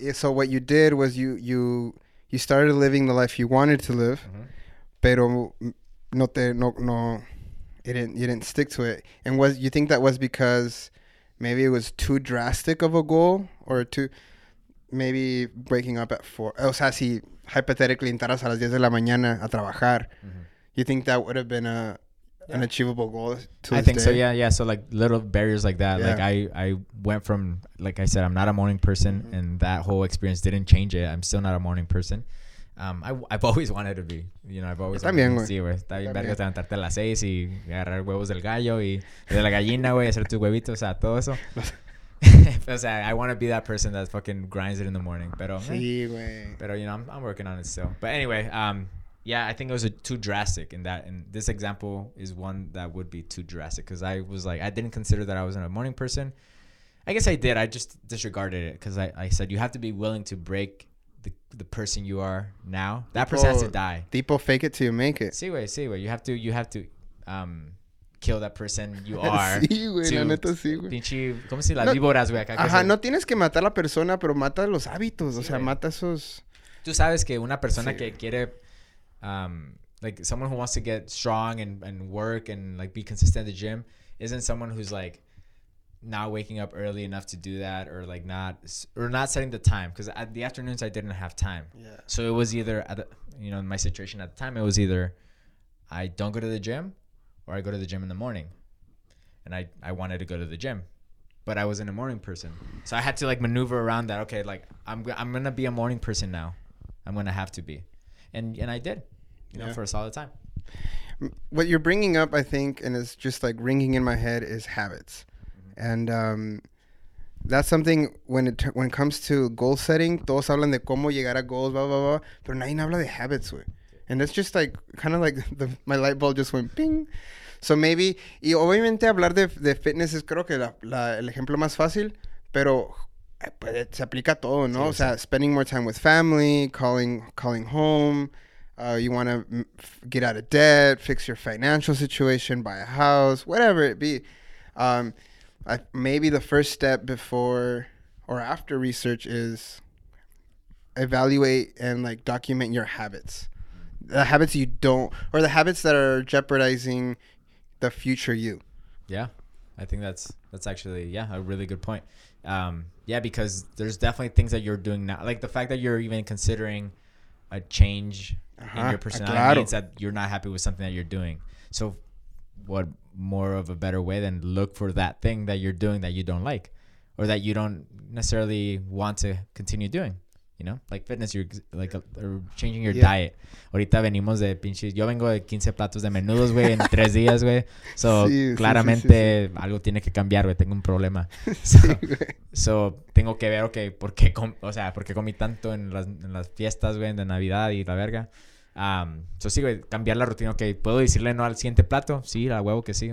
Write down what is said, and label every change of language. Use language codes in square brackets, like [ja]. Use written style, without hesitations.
[en] So what you did was you started living the life you wanted to live, mm-hmm. [es] pero no, [en] you didn't stick to it. And was you think that was because maybe it was too drastic of a goal, or too maybe breaking up at 4? [es] O sea, si hypothetically entras a las 10 de la mañana a trabajar, mm-hmm. [en] you think that would have been an achievable goal to this day? So, yeah. So like little barriers like that. Yeah. Like I went from, like I said, I'm not a morning person, mm-hmm. and that whole experience didn't change it. I'm still not a morning person. I've always wanted to be, you know, I've always [es] levantarte a las 6 y agarrar huevos del gallo y de la gallina, [en] güey, [es] hacer tus huevitos, o sea, todo eso. O sea, [en] I want to be that person that fucking grinds it in the morning, [es] pero sí, güey. Pero [en] you know, I'm working on it still. But anyway, yeah, I think it was too drastic in that. And this example is one that would be too drastic, because I was like, I didn't consider that I was a morning person. I guess I did. I just disregarded it because I said you have to be willing to break the person you are now. That person has to die. People fake it till you make it. See way. You have to kill that person you are. [es] Sí, güey, la neta sí, güey. Pinche, ¿cómo si las víboras, güey? Ajá, no tienes que matar a la persona, pero mata los hábitos. Sí, o sea, wey. Mata esos. Tú sabes que una persona que quiere. [en] Like someone who wants to get strong and work and like be consistent at the gym isn't someone who's like not waking up early enough to do that, or like not setting the time, because at the afternoons I didn't have time. Yeah. So it was either you know, in my situation at the time, it was either I don't go to the gym or I go to the gym in the morning, and I wanted to go to the gym, but I wasn't a morning person, so I had to like maneuver around that. Okay, like I'm gonna be a morning person now. I'm gonna have to be. And I did, you know, for a solid time. What you're bringing up, I think, and it's just like ringing in my head, is habits. Mm-hmm. And that's something when it comes to goal setting, [es] todos hablan de cómo llegar a [en] goals, blah, blah, blah. [es] Pero nadie habla de [en] habits, güey. And it's just like kind of like my light bulb just went ping. So maybe, [es] y obviamente hablar de fitness es creo que el ejemplo más fácil, pero... [en] But it [es] se aplica todo, ¿no? Sí, o sea, sí. [en] Spending more time with family, calling home, you want to get out of debt, fix your financial situation, buy a house, whatever it be. Maybe the first step before or after research is evaluate and like document your habits. The habits you don't, or the habits that are jeopardizing the future you. Yeah, I think that's actually, yeah, a really good point. Yeah, because there's definitely things that you're doing now. Like the fact that you're even considering a change in your personality means that you're not happy with something that you're doing. So what more of a better way than look for that thing that you're doing that you don't like, or that you don't necessarily want to continue doing, you know? Like fitness, you're like or changing your diet. [es] Ahorita venimos de pinches. Yo vengo de 15 platos de menudos, güey, en 3 días, güey. [en] So, [es] sí, claramente, sí. Algo tiene que cambiar, güey. Tengo un problema. [en] So, [es] tengo que ver, okay, ¿por qué comí tanto en las fiestas, güey, de Navidad y la verga? [en] So, [es] sí, güey, cambiar la rutina. Okay, ¿puedo decirle no al siguiente plato? Sí, a huevo que sí.